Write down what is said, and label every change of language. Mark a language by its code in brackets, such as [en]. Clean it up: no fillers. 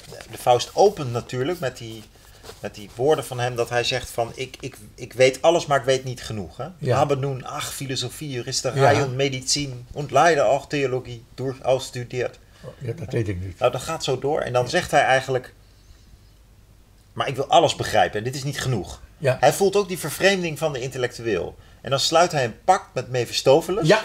[nl] de Faust opent natuurlijk met die woorden van hem, dat hij zegt van ik weet alles, maar ik weet niet genoeg. [de] Haben nun, ach, filosofie, juristerij und medizin, und leider auch theologie, durchaus studiert. [nl] Ja, dat weet ik niet. Nou, dat gaat zo door. En dan zegt hij eigenlijk, maar ik wil alles begrijpen en dit is niet genoeg. Ja. Hij voelt ook die vervreemding van de intellectueel. En dan sluit hij een pact met Mephistopheles.